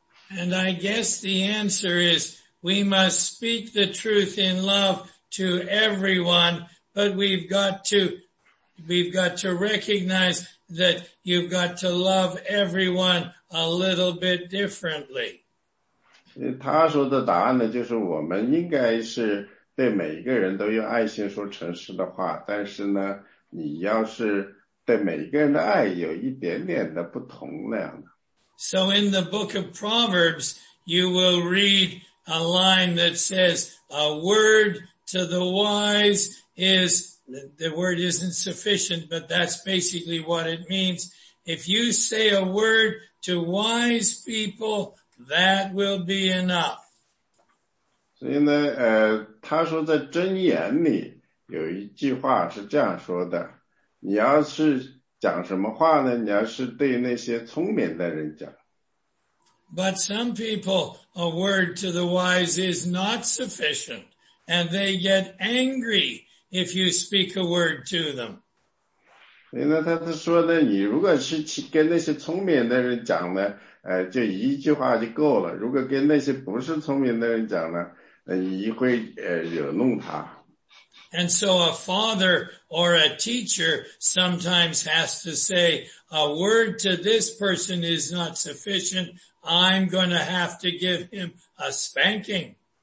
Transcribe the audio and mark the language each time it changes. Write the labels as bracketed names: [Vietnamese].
[English] And I guess the answer is,we must speak the truth in love to everyone, but we've got to recognize that you've got to love everyone a little bit differently. [Chinese] 他说的答案呢，就是我们应该是对每一个人都用爱心说诚实的话，但是呢，你要是对每一个人的爱有一点点的不同那样的。 [English] So in the book of Proverbs, you will read,a line that says, a word to the wise is, the word isn't sufficient, but that's basically what it means. If you say a word to wise people, that will be enough. [Chinese] 所以呢，他说在箴言里有一句话是这样说的，你要是讲什么话呢，你要是对那些聪明的人讲。 [English] But some people, a word to the wise is not sufficient, and they get angry if you speak a word to them. [Chinese] 那他说呢，你如果是跟那些聪明的人讲呢，就一句话就够了。如果跟那些不是聪明的人讲呢，你会惹怒他。 [English] And so a father or a teacher sometimes has to say, a word to this person is not sufficient, I'm going to have to give him a spanking.